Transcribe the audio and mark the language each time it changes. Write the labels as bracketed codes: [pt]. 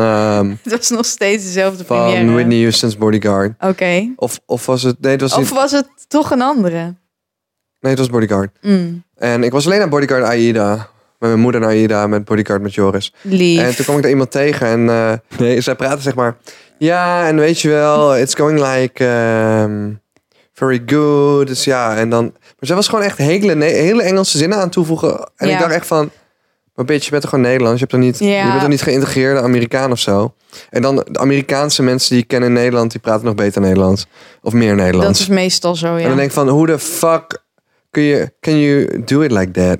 [nl] Het was nog steeds dezelfde van première. Van Whitney Houston's Bodyguard. Oké. Okay. Of was het... Nee, het was of niet... was het toch een andere? Nee, het was Bodyguard. Mm. En ik was alleen naar Bodyguard Aida. Met mijn moeder naar Aida. Met Bodyguard met Joris. Lief. En toen kwam ik daar iemand tegen. En zij praten zeg maar... Ja, en weet je wel, [en] it's going like very good. [nl] Dus ja, en dan... Maar zij was gewoon echt hele Engelse zinnen aan toevoegen. En ik dacht echt van... Maar bitch, je bent toch gewoon Nederlands? Je bent er niet geïntegreerde Amerikaan of zo? En dan de Amerikaanse mensen die ik ken in Nederland... die praten nog beter Nederlands. Of meer Nederlands. Dat is meestal zo, ja. En dan denk ik van, hoe de fuck kun je... [en] Can you do it like that?